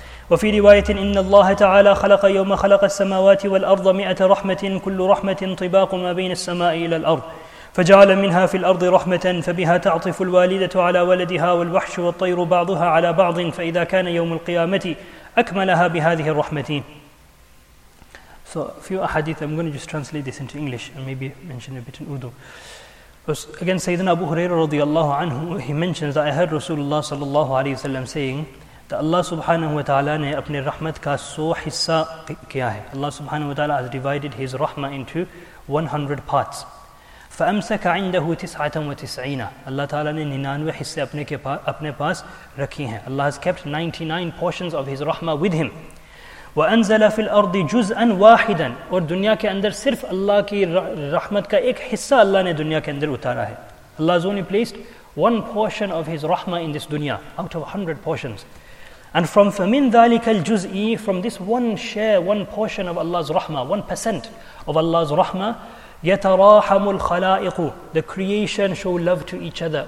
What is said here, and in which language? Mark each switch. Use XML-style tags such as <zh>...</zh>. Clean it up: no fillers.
<ar>وفي رواية إن الله تعالى خلق يوم خلق السماوات والأرض مئة رحمة كل رحمة طباق ما بين السماء إلى الأرض فجعل منها في الأرض رحمة فبها تعطف الوالدة على ولدها والوحش والطير بعضها على بعض فإذا كان يوم القيامة أكملها بهذه الرحمة.</ar> <en>So a few hadith, I'm going to just translate this into English and maybe mention a bit in Urdu. Again, Sayyidina Abu Hurairah radiallahu anhu, he mentions that I heard Rasulullah sallallahu alayhi wa sallam saying that Allah subhanahu wa ta'ala</en> <ur>ne apne rahmat ka so hissa kiya hai.</ur> <en>Allah subhanahu wa ta'ala has divided His rahmah into 100 parts.</en> <ar>فَأَمْسَكَ عِنْدَهُ تِسْعَةً وَتِسْعِينَ.</ar> <ur>Allah ta'ala ne 99 hisse apne paas rakhi hai.</ur> <en>Allah has kept 99 portions of His rahmah with Him.</en> <ar>وَأَنزَلَ فِي الْأَرْضِ جُزْءًا وَاحِدًا.</ar> <ur>اور دنیا کے اندر صرف اللہ کی رحمت کا ایک حصہ اللہ نے دنیا کے اندر اتارا ہے.</ur> <en>Allah has only placed one portion of His rahmah in this dunya out of 100 portions. And from</en> <ar>فَمِن ذَلِكَ الْجُزْءِ,</ar> <en>from this one share, one portion of Allah's rahmah, 1% of Allah's rahmah,</en> <ar>يَتَرَاحَمُ الْخَلَائِقُ,</ar> <en>the creation show love to each other.</en>